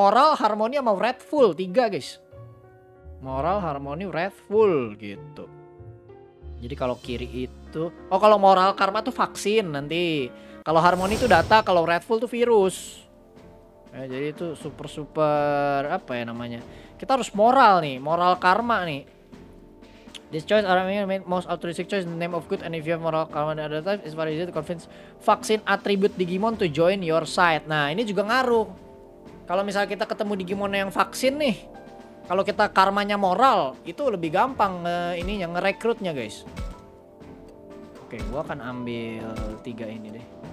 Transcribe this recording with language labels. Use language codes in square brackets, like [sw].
[id] Moral, harmoni sama wrathful. 3 guys. Moral, harmoni, wrathful gitu. Jadi kalau kiri itu, oh kalau moral karma tuh vaksin nanti. Kalau harmoni itu data, kalau wrathful itu virus. Ya, jadi itu super-super apa ya namanya. Kita harus moral nih, moral karma nih. [en] This choice are made most altruistic choice in the name of good. And if you have moral karma and other types, it's very easy to convince vaksin attribute Digimon to join your side. [id] Nah ini juga ngaruh. Kalau misalnya kita ketemu Digimon yang vaksin nih, kalau kita karmanya moral, itu lebih gampang ininya ngerekrutnya guys. Oke, gue akan ambil 3 ini deh.